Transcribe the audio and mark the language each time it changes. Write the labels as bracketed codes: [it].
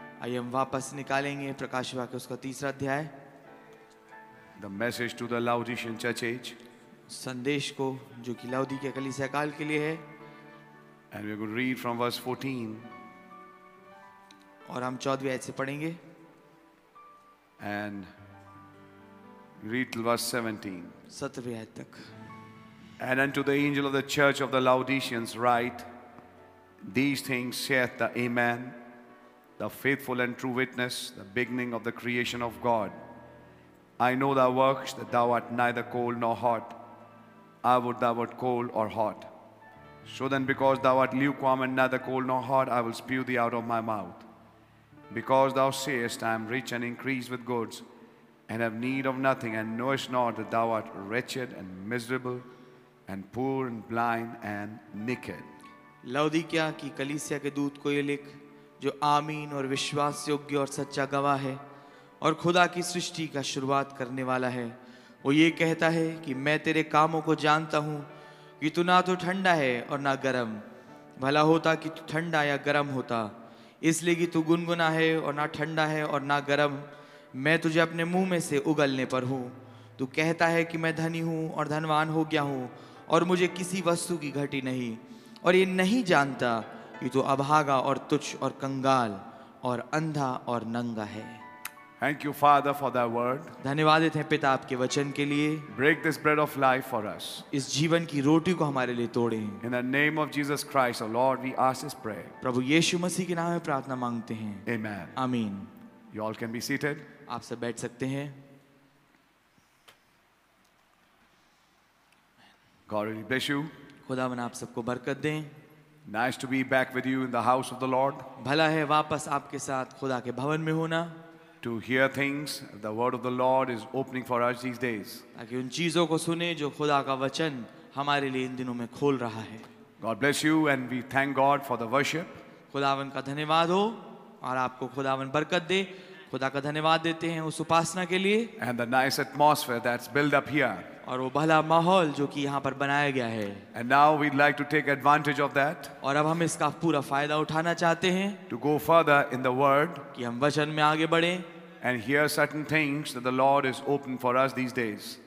[hi] आइए हम वापस निकालेंगे प्रकाशवाक्य उसका तीसरा अध्याय. [en] The message to the Laodicean church age. [hi] संदेश को जो कि लौदीकिया कलीसिया काल के लिए है. [en] And we're going to read from verse 14. [hi] और हम 14वीं आयत से पढ़ेंगे. [en] And read till verse 17. [hi] 17वीं आयत तक. [en] And unto the angel of the church of the Laodiceans write, these things saith the Amen, the faithful and true witness, the beginning of the creation of God. I know thy works, that thou art neither cold nor hot. I would thou wert cold or hot. So then, because thou art lukewarm and neither cold nor hot, I will spew thee out of my mouth. Because thou sayest, I am rich and increased with goods, and have need of nothing, and knowest not that thou art wretched and miserable, and poor and blind and naked. [hi] लौदीकिया की कलीसिया के दूत को ये लिख, जो आमीन और विश्वास योग्य और सच्चा गवाह है और खुदा की सृष्टि का शुरुआत करने वाला है, वो ये कहता है कि मैं तेरे कामों को जानता हूँ कि तू ना तो ठंडा है और ना गर्म। भला होता कि तू ठंडा या गर्म होता, इसलिए कि तू गुनगुना है और ना ठंडा है और ना गर्म। मैं तुझे अपने मुँह में से उगलने पर हूँ। तू कहता है कि मैं धनी हूँ और धनवान हो गया हूँ और मुझे किसी वस्तु की घटी नहीं, और ये नहीं जानता कि तू अभागा और तुच्छ और कंगाल और अंधा और नंगा है। [en] Thank you, Father, for that word. [hi] धन्यवाद है पिता आपके वचन के लिए. [en] Break this bread of life for us. [hi] इस जीवन की रोटी को हमारे लिए तोड़ें. [en] In the name of Jesus Christ, our Lord, we ask this prayer. [hi] प्रभु यीशु मसीह के नाम में प्रार्थना मांगते हैं. [en] Amen. Amen. You all can be seated. [hi] आप सब बैठ सकते हैं. [en] God really bless you. [hi] खुदा मन आप सबको बरकत दें. [en] Nice to be back with you in the house of the Lord. [hi] भला है वापस आपके साथ खुदा के भवन में होना. [en] To hear things, the word of the Lord is opening for us these days. [hi] ताकि उन चीजों को सुने जो खुदा का वचन हमारे लिए इन दिनों में खोल रहा है. [en] God bless you and we thank God for the worship. [hi] खुदावन का धन्यवाद हो और आपको खुदावन बरकत दे. खुदा का धन्यवाद देते हैं उस उपासना के लिए. [en] And the nice atmosphere that's built up here. [hi] और वो भला माहौल जो कि यहाँ पर बनाया गया है. [en] And now we'd like to take advantage of that. [hi] और अब हम इसका पूरा फायदा उठाना चाहते हैं. [en] To go further in the word. [hi] कि हम वचन में आगे बढ़ें. [en] And hear certain things that the Lord is opening for us these days.